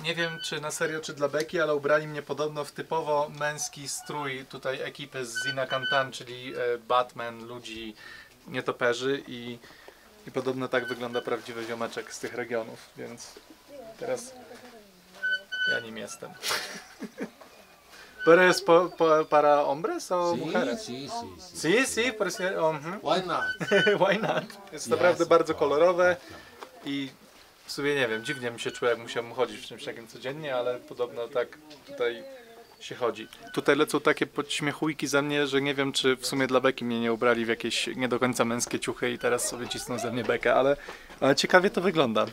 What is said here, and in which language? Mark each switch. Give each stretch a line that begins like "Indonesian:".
Polish: Nie wiem, czy na serio, czy dla beki, ale ubrali mnie podobno w typowo męski strój tutaj ekipy z Zinakantan, czyli Batman, ludzi, nietoperzy i podobno tak wygląda prawdziwy ziomeczek z tych regionów, więc teraz ja nim jestem.
Spanish: Pero es para hombres o mujeres? Sí, por si...
English: Why not? Why not?
Polish: Jest naprawdę bardzo kolorowe i w sumie nie wiem, dziwnie mi się czuję, jak musiałem chodzić w czymś takim codziennie, ale podobno tak tutaj się chodzi. Tutaj lecą takie podśmiechujki za mnie, że nie wiem, czy w sumie dla beki mnie nie ubrali w jakieś nie do końca męskie ciuchy i teraz sobie cisną ze mnie bekę, ale ciekawie to wygląda.